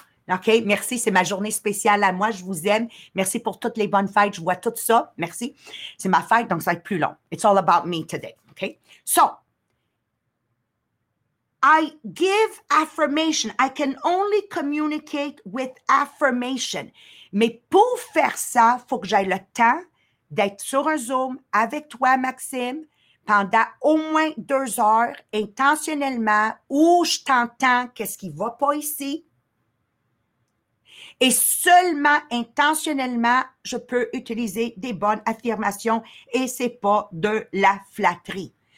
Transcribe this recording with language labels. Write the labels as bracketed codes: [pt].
[fr] OK, merci, c'est ma journée spéciale à moi, je vous aime. Merci pour toutes les bonnes fêtes, je vois tout ça, merci. C'est ma fête, donc ça va être plus long. [en] It's all about me today, OK? So, I give affirmation. I can only communicate with affirmation. [fr] Mais pour faire ça, il faut que j'aie le temps d'être sur un Zoom avec toi, Maxime, pendant au moins 2 heures, intentionnellement, où je t'entends qu'est-ce qui ne va pas ici. Et seulement intentionnellement, je peux utiliser des bonnes affirmations et ce n'est pas de la flatterie.